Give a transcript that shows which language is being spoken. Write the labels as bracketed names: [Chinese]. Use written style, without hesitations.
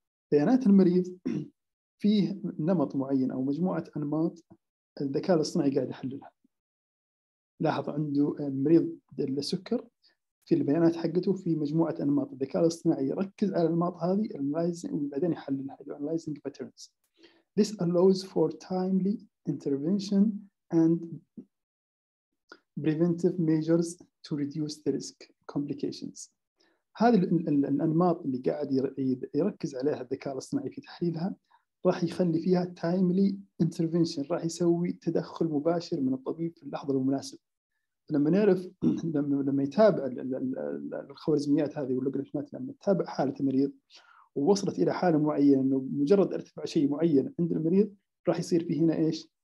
[Arabic] بيانات المريض فيه نمط معين أو مجموعة أنماط الذكاء الاصطناعي قاعد يحللها. لاحظ عنده المريض السكر في البيانات حقته في مجموعة أنماط, الذكاء الاصطناعي يركز على الأنماط هذه وبعدين يحللها. [English] Analyzing patterns. This allows for timely intervention and preventive measures to reduce the risk complications. [Arabic] هذه الأنماط اللي قاعد يركز عليها الذكاء الاصطناعي في تحليلها راح يخلي فيها [English] timely intervention, [Arabic] راح يسوي تدخل مباشر من الطبيب في اللحظة المناسبة. لما نعرف لما يتابع الخوارزميات هذه واللوغاريتمات, لما تتابع حالة المريض ووصلت إلى حالة معينة, مجرد ارتفع شيء معين عند المريض راح يصير فيه هنا إيش